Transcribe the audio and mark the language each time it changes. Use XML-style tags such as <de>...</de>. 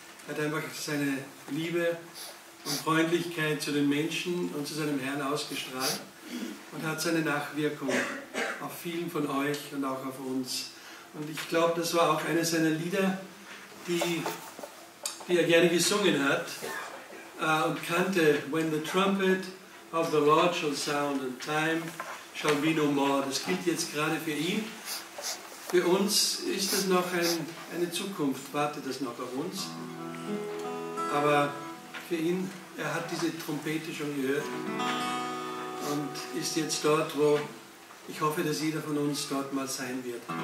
<de>Er hat einfach seine Liebe und Freundlichkeit zu den Menschen und zu seinem Herrn ausgestrahlt und hat seine Nachwirkung auf vielen von euch und auch auf uns. Und ich glaube, das war auch eines seiner Lieder, die er gerne gesungen hat und kannte.</de> <en>When the trumpet of the Lord shall sound and time shall be no more.</en> <de>Das gilt jetzt gerade für ihn. Für uns ist das noch eine Zukunft, wartet das noch auf uns. Aber für ihn, er hat diese Trompete schon gehört und ist jetzt dort, wo ich hoffe, dass jeder von uns dort mal sein wird.</de>